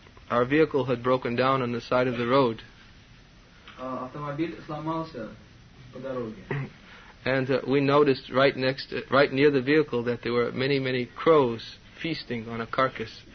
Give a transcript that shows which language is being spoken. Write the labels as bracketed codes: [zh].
[en] Our vehicle had broken down on the side of the road. [ru] Автомобиль сломался по дороге. [en] And we noticed right near the vehicle that there were many, many crows feasting on a carcass.